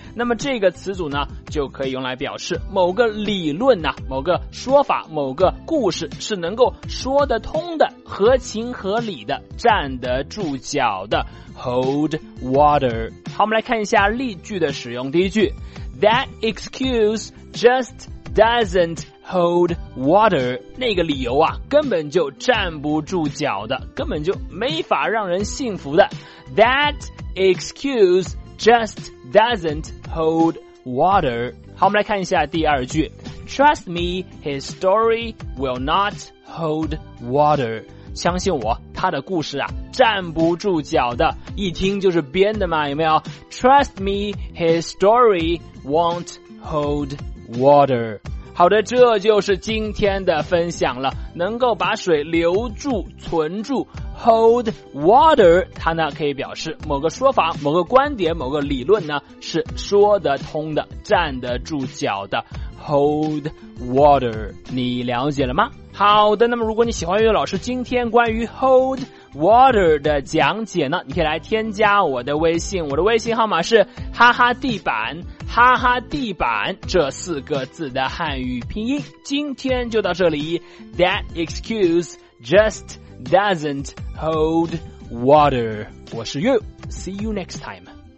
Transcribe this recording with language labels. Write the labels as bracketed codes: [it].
[zh] 那么这个词组呢就可以用来表示某个理论呢、某个说法、某个故事是能够说得通的、合情合理的、站得住脚的。 [en] Hold water。 [zh] 好，我们来看一下例句的使用。第一句， [en] That excuse just doesn't hold water。 [zh] 那个理由啊根本就站不住脚的，根本就没法让人信服的。 [en] That excuse just doesn't hold water。 [zh] 好，我们来看一下第二句， [en] Trust me, his story will not hold water。 [zh] 相信我，他的故事啊站不住脚的，一听就是编的嘛，有没有？ [en] Trust me, his story won't hold water。 [zh] 好的，这就是今天的分享了，能够把水留住存住。 Hold water， 它呢可以表示某个说法、某个观点、某个理论呢是说得通的、站得住脚的。 Hold water， 你了解了吗？好的，那么如果你喜欢悠悠老师今天关于 hold water 的讲解呢，你可以来添加我的微信，我的微信号码是哈哈地板，哈哈地板这四个字的汉语拼音。今天就到这里， [en] That excuse just doesn't hold water。 我是 You, See you next time。